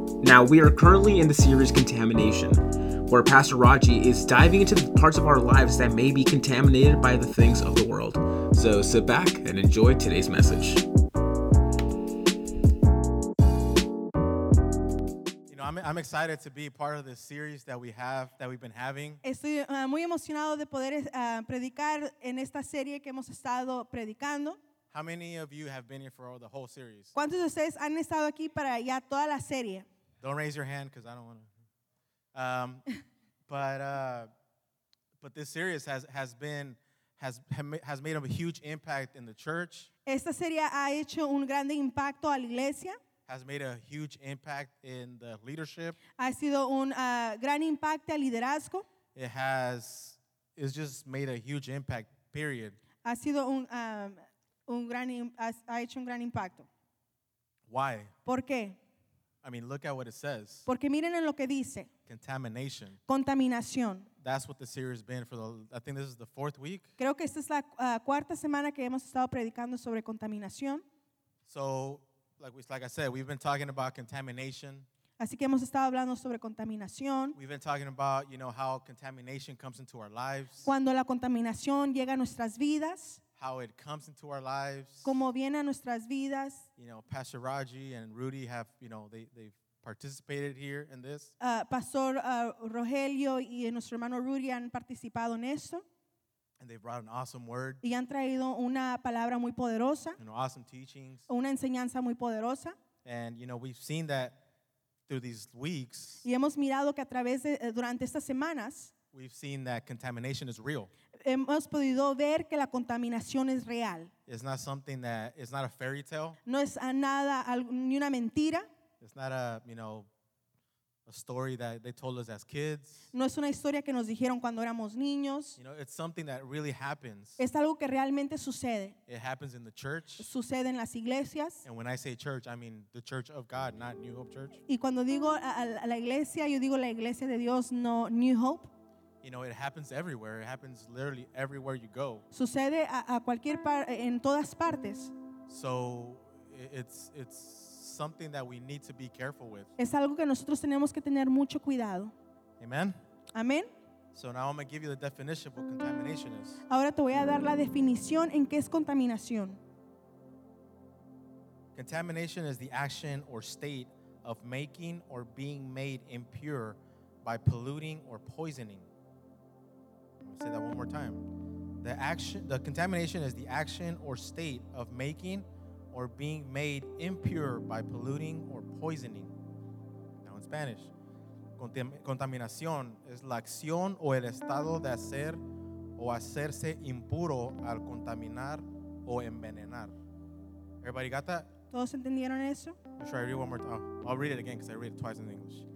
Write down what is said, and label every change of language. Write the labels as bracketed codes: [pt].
[en] Now, we are currently in the series Contamination, where Pastor Raji is diving into the parts of our lives that may be contaminated by the things of the world. So sit back and enjoy today's message. I'm excited to be part of this series that we have, that we've been having. [es] Estoy muy emocionado de poder predicar en esta serie que hemos estado predicando. [en] How many of you have been here for the whole series? [es] ¿Cuántos de ustedes han estado aquí para ya toda la serie? [en] Don't raise your hand because I don't want to. but this series has made a huge impact in the church. [es] Esta serie ha hecho un grande impacto a la iglesia. [en] Has made a huge impact in the leadership. [es] Ha sido un gran impacto al liderazgo. [en] It's just made a huge impact, period. [es] Ha sido ha hecho un gran impacto. [en] Why? [es] ¿Por qué? [en] I mean, look at what it says. [es] Porque miren en lo que dice. [en] Contamination. [es] Contaminación. [en] That's what the series has been for I think this is the fourth week. [es] Creo que esta es la cuarta semana que hemos estado predicando sobre contaminación. [en] So, like I said, we've been talking about contamination. [es] Así que hemos estado hablando sobre contaminación. [en] We've been talking about, you know, how contamination comes into our lives. [es] Cuando la contaminación llega a nuestras vidas. [en] How it comes into our lives. [es] Cómo viene a nuestras vidas. [en] You know, Pastor Raji and Rudy have, you know, they've participated here in this. [es] Pastor Rogelio y nuestro hermano Rudy han participado en esto. [en] And they brought an awesome word. [es] Y han traído una palabra muy poderosa. [en] You know, awesome teachings. [es] Una enseñanza muy poderosa. [en] And you know, we've seen that through these weeks. [es] Y hemos mirado que a través de durante estas semanas. [en] We've seen that contamination is real. [es] Hemos podido ver que la contaminación es real. [en] It's not something that it's not a fairy tale. [es] No es nada ni una mentira. [en] It's not a, you know, a story that they told us as kids. [es] No es una historia que nos dijeron cuando éramos niños. [en] You know, it's something that really happens. [es] Es algo que realmente sucede. [en] It happens in the church. [es] Sucede en las iglesias. [en] And when I say church, I mean the church of God, not New Hope Church. [es] Y cuando digo a la iglesia, yo digo la iglesia de Dios, no New Hope. [en] You know, it happens everywhere. It happens literally everywhere you go. [es] Sucede a cualquier en todas partes. [en] So it's something that we need to be careful with. [es] Es algo que nosotros tenemos que tener mucho cuidado. [en] Amen. [es] Amen. [en] So now I'm going to give you the definition of what contamination is. [es] Ahora te voy a dar la definición en qué es contaminación. [en] Contamination is the action or state of making or being made impure by polluting or poisoning. I'm going to say that one more time. The contamination is the action or state of making or being made impure by polluting or poisoning. Now in Spanish, [es] contaminación es la acción o el estado de hacer o hacerse impuro al contaminar o envenenar. [en] Everybody got that? [es] ¿Todos entendieron eso? [en] Sure, I'll read one more time. I'll read it again because I read it twice in English.